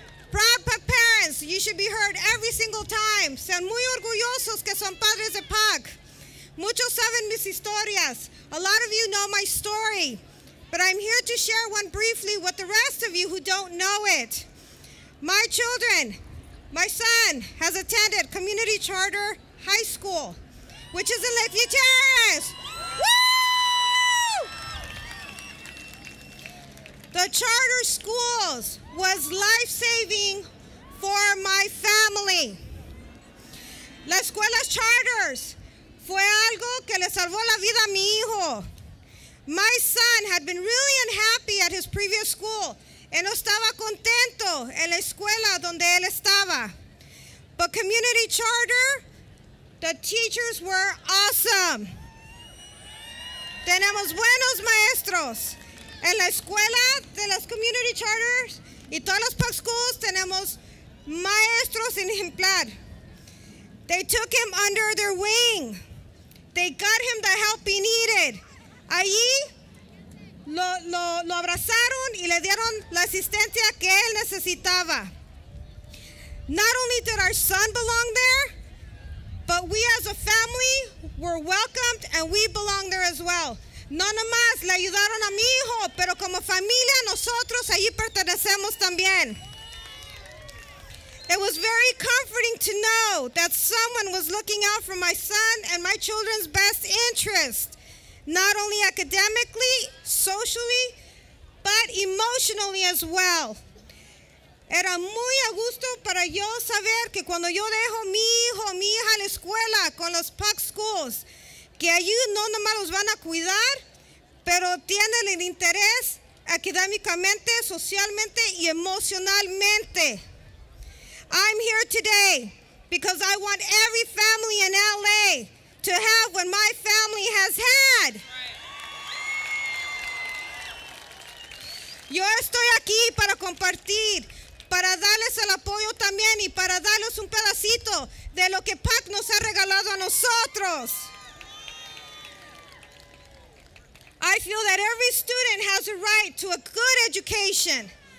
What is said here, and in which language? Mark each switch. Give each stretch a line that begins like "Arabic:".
English: Proud PAC parents, you should be heard every single time.
Spanish: Sean muy orgullosos que son padres de PAC. Muchos saben mis historias.
English: A lot of you know my story. But I'm here to share one briefly with the rest of you who don't know it. My children, my son has attended Community Charter High School, which is in Lakeview Terrace. Woo! The charter schools was life-saving for my family.
Spanish: La escuela charters fue algo que le salvó la vida a mi hijo.
English: My son had been really unhappy at his previous school.
Spanish: Él no estaba contento en la escuela donde él estaba.
English: But Community Charter, the teachers were awesome.
Spanish: Tenemos buenos maestros. En la escuela de las Community Charters y todas las Puck Schools, tenemos maestros en ejemplar.
English: They took him under their wing. They got him the help he needed.
Spanish: Allí, Lo abrazaron y le dieron la asistencia que él necesitaba.
English: Not only did our son belong there, but we as a family were welcomed and we belong there as well.
Spanish: No nomás le ayudaron a mi hijo, pero como familia nosotros allí pertenecemos también.
English: It was very comforting to know that someone was looking out for my son and my children's best interest. Not only academically, socially, but emotionally as well.
Spanish: Era muy a gusto para yo saber que cuando yo dejo mi hijo, mi hija a la escuela con los Puck Schools, que allí no nomás los van a cuidar, pero tienen el interés académicamente, socialmente y emocionalmente.
English: I'm here today because I want every family in LA to have what my family has had.
Spanish: Yo estoy aquí para compartir, para darles el apoyo también y para darles un pedacito de lo que PAC nos ha regalado a nosotros.
English: I feel that every student has a right to a good education.